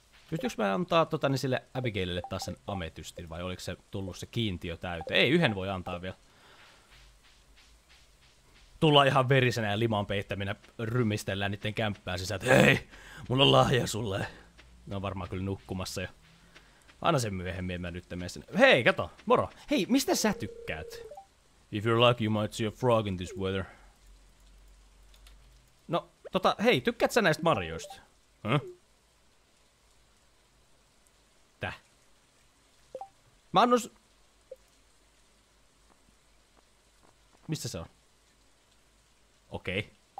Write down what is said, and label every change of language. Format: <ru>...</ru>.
<fi>Pystyks mä antaa sille Abigailille taas sen ametystin, vai oliko se tullut se kiintiö täyteen? Ei, yhden voi antaa vielä. Tullaan ihan verisenä ja liman peittäminä rymistellään niitten kämppään sisään, että hei, mulla on lahja sulle. Ne on varmaan kyllä nukkumassa jo. Aina sen myöhemmin mä nyt menen sinne. Hei, kato! Moro! Hei, mistä sä tykkäät?</fi> <en>If you're lucky, you might see a frog in this weather.</en> <fi>No, tota, hei, tykkäät sä näistä marjoista? Huh? Täh? Mä annos... Mistä se on? Okei.</fi>